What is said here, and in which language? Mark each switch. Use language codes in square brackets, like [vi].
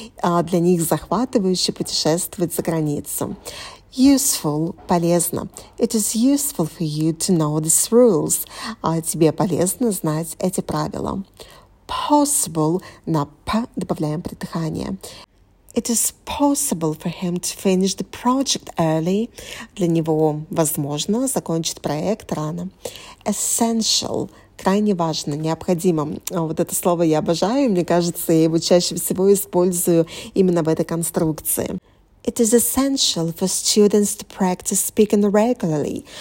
[ru] Для них захватывающе путешествовать за границу. Useful — полезно. [en] It is useful for you to know these rules. [ru] Тебе полезно знать эти правила. Possible — на «п» добавляем придыхание. [en] It is possible for him to finish the project early. [ru] Для него возможно закончить проект рано. [en] Essential. [ru] Крайне важно, необходимо. Вот это слово я обожаю, мне кажется, я его чаще всего использую именно в этой конструкции. [en] It is essential for students to practice speaking regularly.